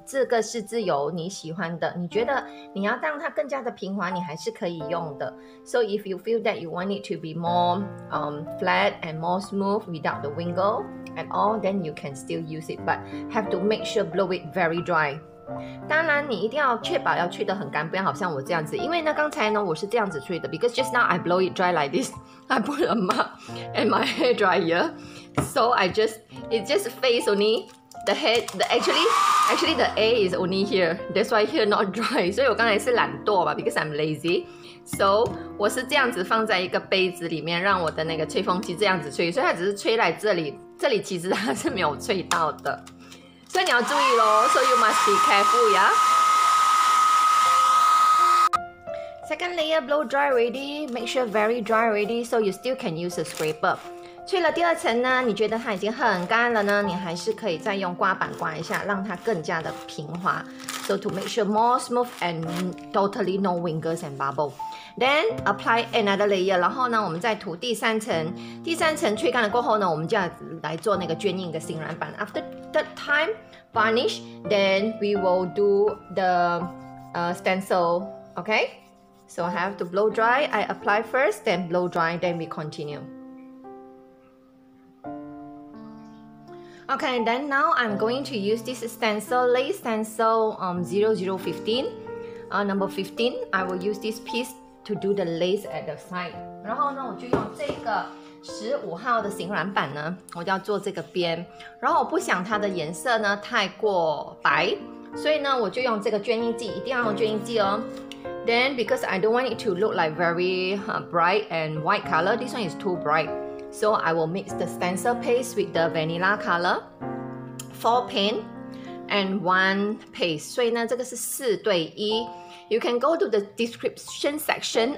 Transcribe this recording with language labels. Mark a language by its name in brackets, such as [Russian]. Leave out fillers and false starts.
[Chinese] 这个是自由你喜欢的，你觉得你要让它更加的平滑，你还是可以用的。 [English] So if you feel that you want it to be more flat and more smooth without the wrinkle at all, then you can still use it, but have to make sure blow it very dry. [Chinese] 当然你一定要确保要吹得很干，不要好像我这样子。因为呢刚才呢我是这样子吹的， [English] because just now I blow it dry like this, I put a mug and my hair dryer, so I just, it's just face only, the head, the actually the air is only here, that's why here not dry. [Chinese] 所以我刚才是懒惰吧， [English] because I'm lazy, so [Chinese] 我是这样子放在一个杯子里面，让我的那个吹风机这样子吹，所以它只是吹来这里，这里其实它是没有吹到的，所以你要注意咯。 [English] So you must be careful, yeah? Second layer blow dry already, make sure very dry already, so you still can use a scraper. [Chinese] 去了第二层呢，你觉得它已经很干了呢，你还是可以再用刮板刮一下，让它更加的平滑。 [English] So to make sure more smooth and totally no wrinkles and bubble. Then apply another layer, [Chinese] 然后呢，我们再涂第三层。第三层吹干了过后呢，我们就要来做那个坚硬的新染板。 [English] After third time, varnish, then we will do the stencil, okay? So I have to blow dry, I apply first, then blow dry, then we continue. Okay, then now I'm going to use this stencil, Lay Stencil 0015, number 15. I will use this piece to do the lace at the side. [Chinese] 然后呢，我就用这个15号的型染板呢，我就要做这个边。然后我不想它的颜色呢太过白，所以呢，我就用这个绢印剂，一定要用绢印剂哦。 [English] Then because I don't want it to look like very bright and white color, this one is too bright. So I will mix the stencil paste with the vanilla color, 4 paint and 1 paste. [Chinese] 所以呢，这个是四对一。 [English] You can go to the description section.